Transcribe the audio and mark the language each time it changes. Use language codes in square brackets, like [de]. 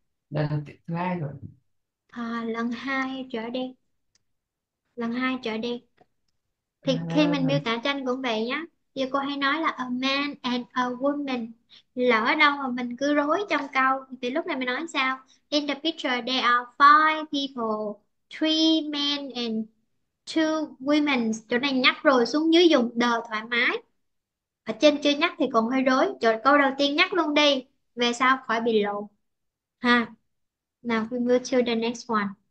[vi] lần thứ hai rồi. À, lần hai trở đi. Lần hai trở đi. Thì khi mình miêu Lần tả tranh cũng vậy nhá. Như cô hay nói là [en] a man and a woman. [vi] Lỡ đâu mà mình cứ rối trong câu thì lúc này mình nói sao? [en] In the picture there are five people, three men and two women. [vi] Chỗ này nhắc rồi, xuống dưới dùng the thoải mái. Ở trên chưa nhắc thì còn hơi rối. Chỗ câu đầu tiên nhắc luôn đi, về sau khỏi bị lộn. [en] Ha. Now we move to the next one.